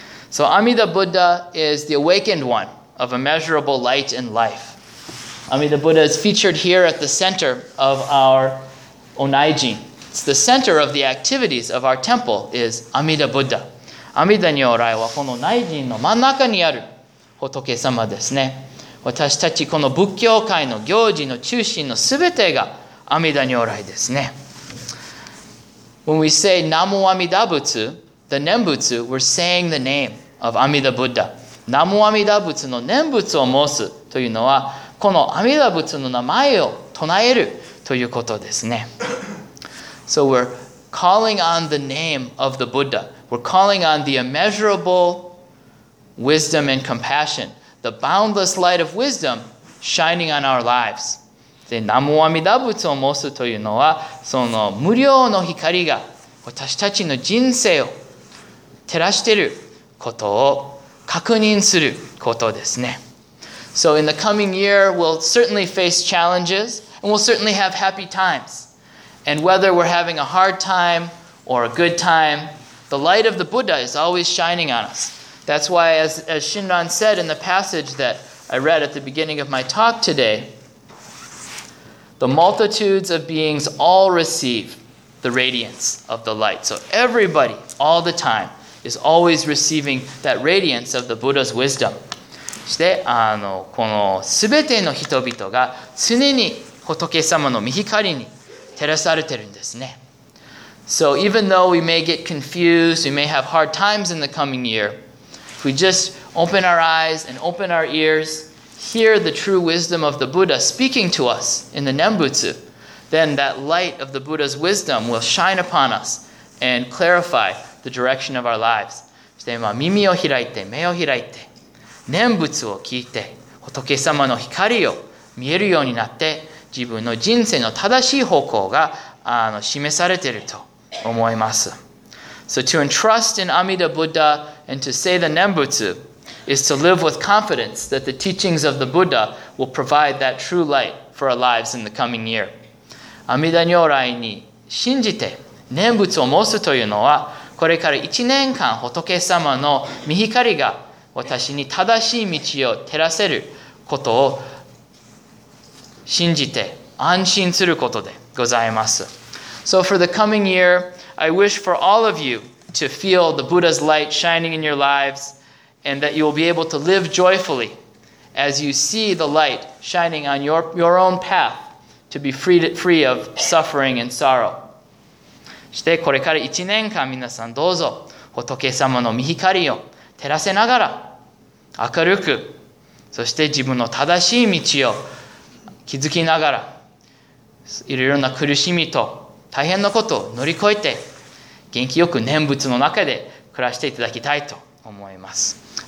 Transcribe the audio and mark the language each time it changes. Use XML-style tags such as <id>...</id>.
<en>So Amida Buddha is the awakened one of immeasurable light and life. Amida Buddha is featured here at the center of our Onaijin. It's the center of the activities of our temple is Amida Buddha.</en> <ja>Amida 如来はこの内陣の真ん中にある仏様ですね。私たちこの仏教界の行事の中心のすべてが Amida 如来ですね。</ja> <en>When we say Namo Amida Butsu, the Nembutsu, we're saying the name of Amida Buddha.</en> <ja>Namo Amida Butsu の念仏を申すというのは、この Amida Butsu の名前を唱えるということですね。</ja> <en>So we're calling on the name of the Buddha. We're calling on the immeasurable wisdom and compassion, the boundless light of wisdom shining on our lives.</en> <ja>で、南無阿弥陀仏を申すというのは、その無量の光が私たちの人生を照らしていることを確認することですね。</ja> <en>So in the coming year, we'll certainly face challenges and we'll certainly have happy times. And whether we're having a hard time or a good time, the light of the Buddha is always shining on us. That's why, as Shinran said in the passage that I read at the beginning of my talk today, the multitudes of beings all receive the radiance of the light. So everybody, all the time, is always receiving that radiance of the Buddha's wisdom.</en> <ja>そして、この全ての人々が常に仏様の御光に照らされてるんですね。</ja> <en>So even though we may get confused, we may have hard times in the coming year, if we just open our eyes and open our ears, hear the true wisdom of the Buddha speaking to us in the Nembutsu, then that light of the Buddha's wisdom will shine upon us and clarify the direction of our lives.</en> <ja>そして耳を開いて、目を開いて、念仏を聞いて、仏様の光を見えるようになって、自分の人生の正しい方向が示されていると思います。</ja> <en>So to entrust in Amida Buddha and to say the Nembutsu is to live with confidence that the teachings of the Buddha will provide that true light for our lives in the coming year.</en> <ja>阿弥陀如来に信じて念仏を申すというのは、これから1年間仏様の御光が私に正しい道を照らせることを信じて安心することでございます。</ja> <en>So for the coming year, I wish for all of you to feel the Buddha's light shining in your lives and that you will be able to live joyfully as you see the light shining on your own path to be free of suffering and sorrow.</en> <ja>してこれから1年間皆さんどうぞ仏様の御光を照らせながら明るく、そして自分の正しい道を気づきながら、いろいろな苦しみと大変なことを乗り越えて、元気よく念仏の中で暮らしていただきたいと思います。</ja>